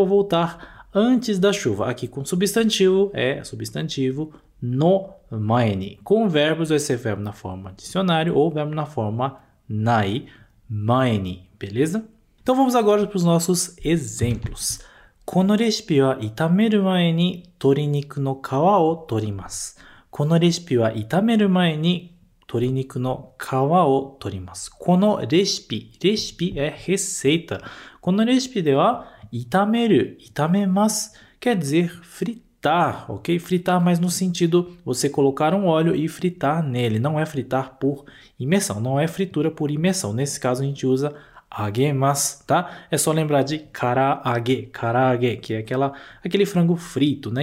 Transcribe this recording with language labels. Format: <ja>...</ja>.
<pt>Eu vou voltar antes da chuva. Aqui com substantivo é substantivo no mae ni. Com verbos vai ser verbo na forma dicionário ou verbo na forma nai mae ni, beleza? Então vamos agora para os nossos exemplos.</pt> <ja>このレシピは炒める前に鶏肉の皮を取ります。このレシピは炒める前に鶏肉の皮を取ります。このレシピ、レシピ</ja> <pt>é receita。</pt> <ja>このレシピでは炒める、炒めます。</ja> <pt>quer dizer fritar, ok? Fritar, mas no sentido você colocar um óleo e fritar nele. Não é fritar por imersão, não é fritura por imersão. Nesse caso a gente usa Agemas, tá? É só lembrar de karaage, karaage, que é aquele frango frito, né?</pt>